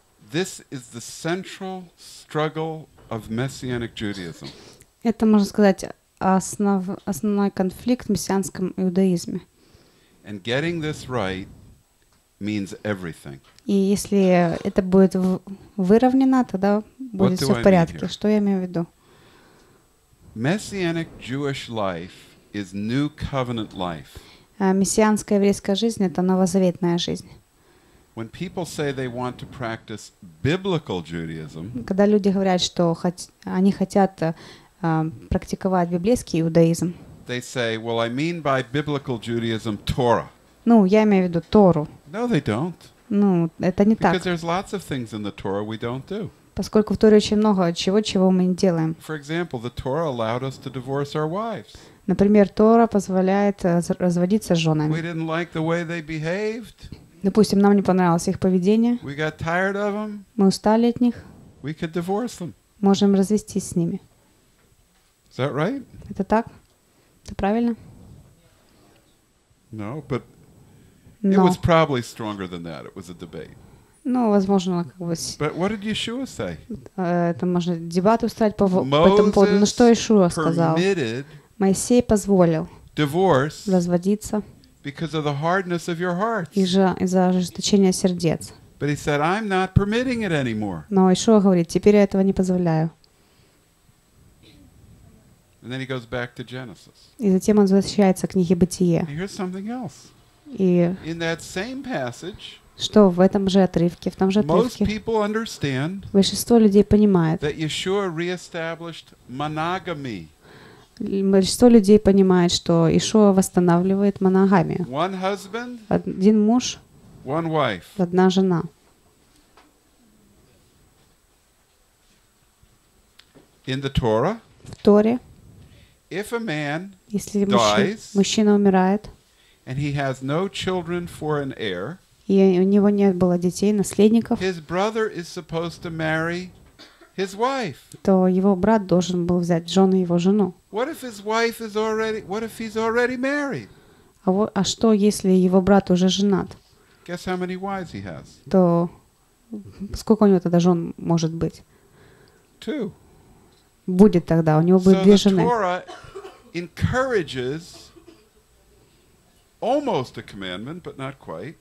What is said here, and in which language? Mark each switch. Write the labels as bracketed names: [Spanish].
[English] This is the central struggle of Messianic Judaism. [Russian] Это, можно сказать, основной конфликт в мессианском иудаизме. [English] And getting this right means everything. [Russian] И если это будет выровнено, тогда будет все в порядке. Что я имею в виду? [English] Messianic Jewish life is new covenant life. [Russian] Мессианская еврейская жизнь — это новозаветная жизнь. [English] When people say they want to practice biblical Judaism, [Russian] когда люди говорят, что они хотят практиковать библейский иудаизм, [English] they say, well, I mean by biblical Judaism Torah. [Russian] Ну, я имею в виду Тору. [English] No, they don't. [Russian] Ну, это не так. [English] Because there's lots of things in the Torah we don't do. [Russian] Поскольку в Торе очень много чего, чего мы не делаем. [English] For example, the Torah allowed us to divorce our wives. [Russian] Например, Тора позволяет разводиться с женами. [English] We didn't like the way they behaved. [Russian] Допустим, нам не понравилось их поведение. [English] We got tired of them. [Russian] Мы устали от них. [English] We could divorce them. [Russian] Можем развестись с ними. [English] Is that right? [Russian] Это так? Это правильно? [English] No, but it was probably stronger than that. It was a debate. [Russian] Ну, возможно, как бы... [English] But what did Yeshua say? [Russian] Это можно дебат устроить по этому поводу. Но что Ишуа сказал? Моисей позволил разводиться. [English] Because of the hardness of your hearts. [Russian] Из-за ожесточения сердец. [English] But he said, I'm not permitting it anymore. [Russian] Но Ишуа говорит, теперь я этого не позволяю. [English] And then he goes back to Genesis. [Russian] И затем он возвращается к книге Бытие. [English] And here's something else. [Russian] И [English] in that same passage, [Russian] что в этом же отрывке, в том же отрывке, [English] most people understand, [Russian] большинство людей понимает, [English] that Yeshua re-established monogamy. [Russian] Большинство людей понимает, что Ишуа восстанавливает моногамию. Один муж, одна жена. В Торе, если мужчина умирает, и у него не было детей, наследников, [English] his wife. [Russian] То его брат должен был взять жены его жену. [English] What if his wife is already, what if he's already married? [Russian] А что, если его брат уже женат? [English] Guess how many wives he has? [Russian] То сколько у него тогда жен может быть? [English] Two. [Russian] Будет тогда, у него будет [English] so [Russian] две жены. [English] The Torah encourages almost a commandment, but not quite.